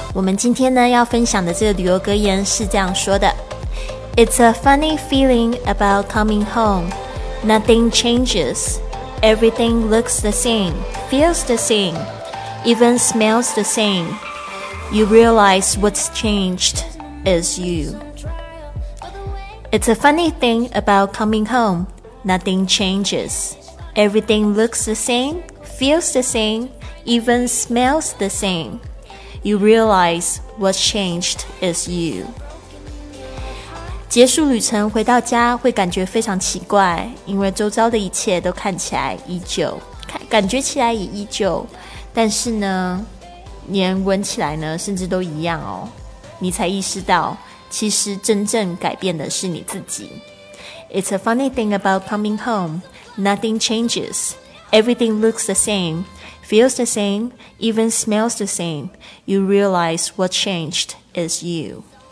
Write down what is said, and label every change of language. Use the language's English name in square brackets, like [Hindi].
[Chinese] 我们今天呢要分享的这个旅游格言是这样说的 [English] It's a funny feeling about coming home. Nothing changes. Everything looks the same, feels the same, even smells the same. You realize what's changed is you. It's a funny thing about coming home. Nothing changes. Everything looks the same, feels the same, even smells the same. You realize what's changed is you. [Chinese] 结束旅程回到家会感觉非常奇怪，因为周遭的一切都看起来依旧，感觉起来也依旧，但是呢，连闻起来呢，甚至都一样哦。你才意识到，其实真正改变的是你自己。 [English] It's a funny thing about coming home. Nothing changes. Everything looks the same. Feels the same, even smells the same. You realize what changed is you.